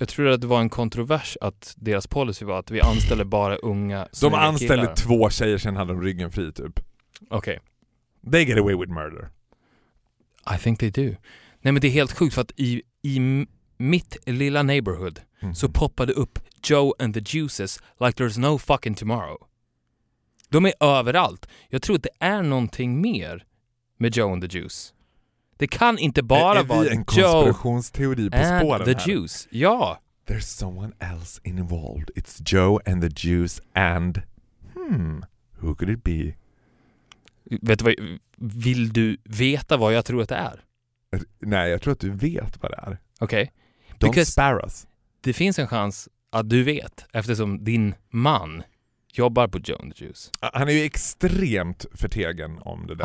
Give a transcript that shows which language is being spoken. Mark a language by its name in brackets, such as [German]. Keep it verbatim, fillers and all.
[Swedish] Jag tror att det var en kontrovers att deras policy var att vi anställer bara unga De anställde killar. Två tjejer, sen hade de ryggen fri typ. Okej. [English] Okay. They get away with murder. I think they do. [Swedish] Nej, men det är helt sjukt för att i, i mitt lilla neighborhood mm. så poppade upp [English] Joe and the Juices like there's no fucking tomorrow. [Swedish] De är överallt. Jag tror att det är någonting mer med Joe and the Juice. Det kan inte bara är, är vara en konspirationsteori på spåren [English] the [Swedish] här. [English] Juice. Ja. There's someone else involved. It's Joe and the Juice and hmm, who could it be? [Swedish] Vet du vad, vill du veta vad jag tror att det är? Nej, jag tror att du vet vad det är. Okej. [English] Okay. Don't spare us. [Swedish] Det finns en chans att du vet eftersom din man jobbar på Joe and the Juice. Han är ju extremt förtegen om det där